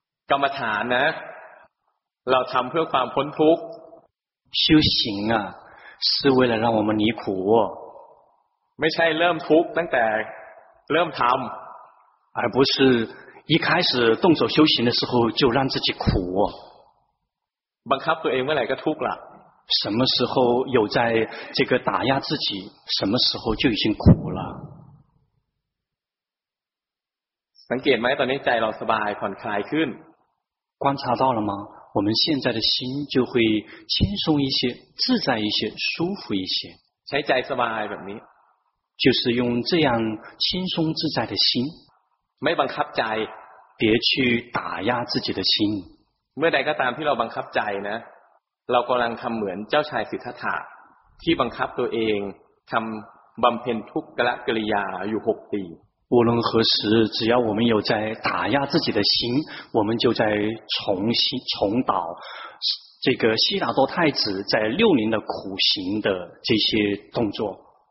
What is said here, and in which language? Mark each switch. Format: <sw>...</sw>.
<th>กรรมฐานนะเราทำเพื่อความพ้นทุกข์</th> <zh>修行啊是为了让我们离苦</zh> <th>ไม่ใช่เริ่มทุกข์ตั้งแต่เริ่มทำ</th> <zh>而不是一开始动手修行的时候就让自己苦</zh> <th>บังคับตัวเองเมื่อไหร่ก็ทุกข์ละ</th> <zh>什么时候有在这个打压自己什么时候就已经苦了</zh> <th>สังเกตไหมตอนนี้ใจเราสบายผ่อนคลายขึ้น</th> <zh>观察到了吗我们现在的心就会轻松一些自在一些舒服一些</zh> <th>ใช้ใจสบายแบบนี้</th> <zh>就是用这样轻松自在的心</zh> <th>ไม่บังคับใจ</th> <zh>别去打压自己的心</zh> <th>เมื่อใดก็ตามที่เราบังคับใจนะเรากำลังทำเหมือนเจ้าชายสิทธัตถะที่บังคับตัวเองทำบำเพ็ญทุกขกิริยาอยู่หกปี</th> <zh>无论何时只要我们有在打压自己的心我们就在重蹈这个悉达多太子在六年的苦行的这些动作</zh>